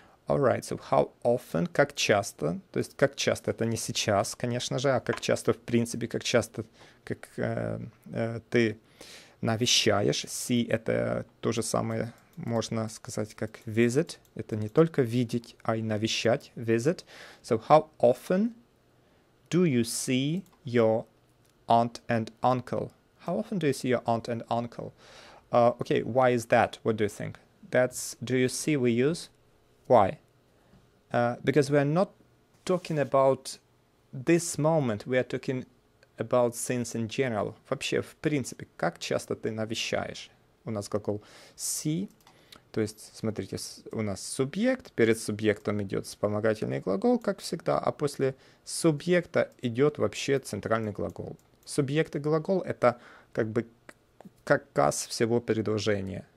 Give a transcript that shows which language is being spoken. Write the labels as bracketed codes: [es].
[en] All right, so how often, [ru] как часто, то есть как часто, это не сейчас, конечно же, а как часто, в принципе, как часто, как ты навещаешь. See — это то же самое, можно сказать, как visit. Это не только видеть, а и навещать. [en] Visit. So how often do you see your aunt and uncle? How often do you see your aunt and uncle? Okay, why is that? What do you think? That's do you see we use. Why? Because we are not talking about this moment, we are talking about things in general. [ru] Вообще, в принципе, как часто ты навещаешь? У нас глагол see, то есть, смотрите, у нас субъект, перед субъектом идет вспомогательный глагол, как всегда, а после субъекта идет вообще центральный глагол. Субъект и глагол — это как бы каркас всего предложения.